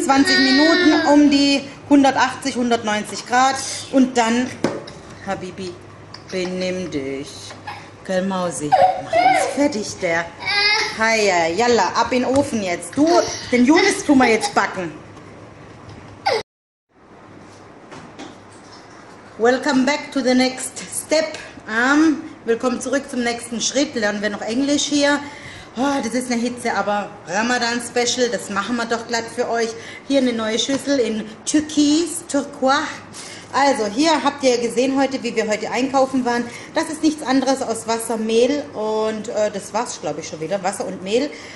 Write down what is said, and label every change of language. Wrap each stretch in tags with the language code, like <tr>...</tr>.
<de>20 Minuten um die 180, 190 Grad. Und dann, Habibi, benimm dich. Gell, Mausi? Mach uns fertig, der. Heia, yalla, ab in den Ofen jetzt. Du, den Jonas tun wir jetzt backen.</de> <en>Welcome back to the next step.</en> <de>Willkommen zurück zum nächsten Schritt. Lernen wir noch Englisch hier. Oh, das ist eine Hitze, aber Ramadan Special, das machen wir doch glatt für euch. Hier eine neue Schüssel in Türkis, Turquois. Also hier habt ihr gesehen heute, wie wir heute einkaufen waren. Das ist nichts anderes aus Wasser, Mehl und das war's, glaube ich, schon wieder. Wasser und Mehl.</de>